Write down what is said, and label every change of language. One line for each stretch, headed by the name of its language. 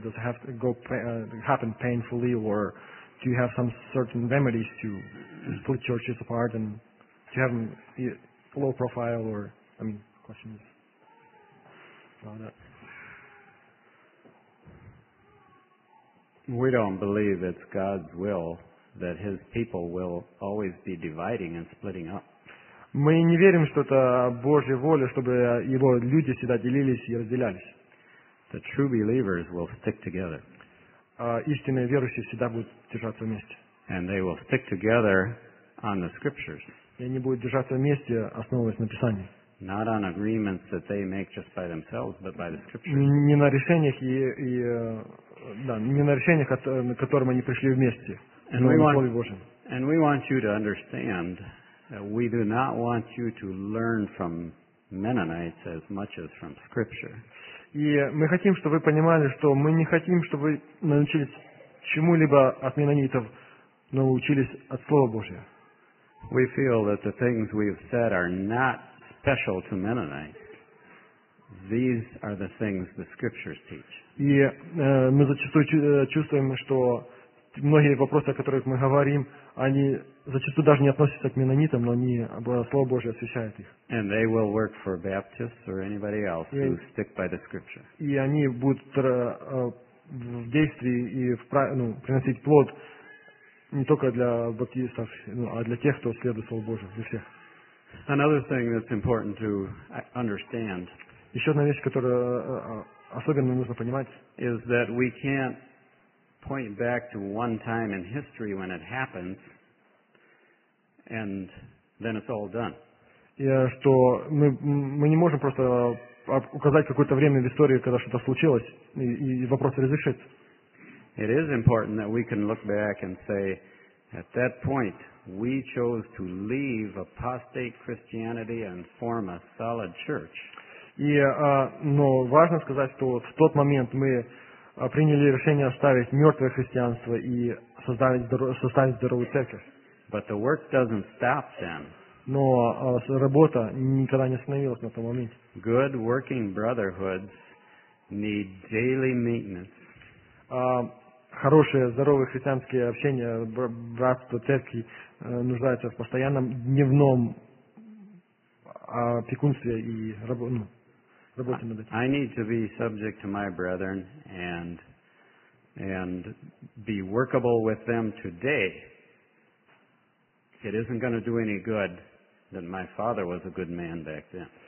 English: Does it have to happen painfully, or do you have some certain remedies to split churches apart and to have them low profile? Questions about that? We don't believe it's God's will that His people will always be dividing and splitting up.
Russian: Мы не верим, что это Божья воля, чтобы Его люди всегда делились и разделялись.
English: The true believers will stick together.
Russian: Истинные верующие всегда будут держаться вместе.
English: And they will stick together on the scriptures.
Russian: И они будут держаться вместе, основываясь на Писании.
English: Not on agreements that they make just by themselves, but by the scriptures.
Russian: Не на решениях к которым они пришли вместе.
English: And we want you to understand that we do not want you to learn from Mennonites as much as from Scripture.
Russian: И мы хотим, чтобы вы понимали, что мы не хотим, чтобы вы научились чему-либо от Меннонитов, но учились от Слова Божьего.
English: We feel that the things we've said are not special to Mennonites. These are the things the scriptures teach.
Russian: І ми зачастую чувствуємо, що многие вопросы, о которых мы говорим, они зачастую даже не относятся к меннонитам, но они, Слово Божие освещает их.
English: And they will work for Baptists or anybody else who stick by the scripture.
Russian: И они будут в действии и приносить плод не только для баптистов, а для тех, кто следует Слову Божию, для всех.
English: Another thing that's important to understand.
Russian: Еще одна вещь, которую особенно нужно понимать,
English: is that we can't point back to one time in history when it happens, and then it's all done.
Russian: Что мы не можем просто указать какое-то время в истории, когда что-то случилось, и вопрос разрешится.
English: It is important that we can look back and say, at that point, we chose to leave apostate Christianity and form a solid church.
Russian: Но важно сказать, что в тот момент мы приняли решение оставить мертвое христианство и составить здоровую церковь.
English: But the work doesn't stop then.
Russian: Но работа никогда не остановилась на том моменте.
English: Good working brotherhoods need daily maintenance.
Russian: Хорошие, здоровые христианские общения, братство, церкви нуждаются в постоянном дневном опекунстве и работе над этим.
English: I need to be subject to my brethren and be workable with them today. It isn't going to do any good that my father was a good man back then.